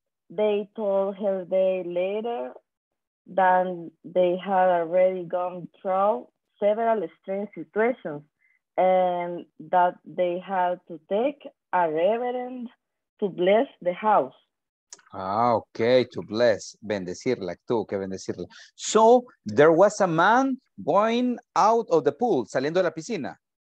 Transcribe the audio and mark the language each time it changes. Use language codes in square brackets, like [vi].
[en] They told her day later that they had already gone through several strange situations and that they had to take a reverend to bless the house. Ah, okay, to bless, [es] bendecirla, tuvo que bendecirla. [en] So, there was a man going out of the pool, [es] saliendo de la piscina.